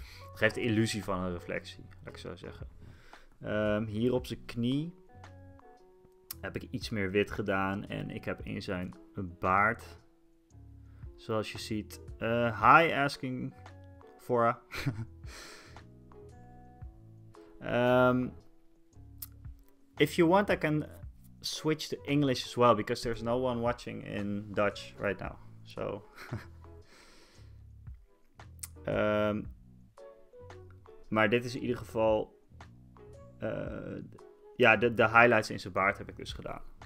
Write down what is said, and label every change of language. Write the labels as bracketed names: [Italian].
[Dutch] Het geeft de illusie van een reflectie, laat ik zo zeggen. Hier op zijn knie heb ik iets meer wit gedaan en ik heb in zijn baard, zoals je ziet, [English] hi asking for. if you want, I can switch to English as well, because there's no one watching in Dutch right now. [Dutch] So, maar dit is in ieder geval, de highlights in zijn baard heb ik dus gedaan.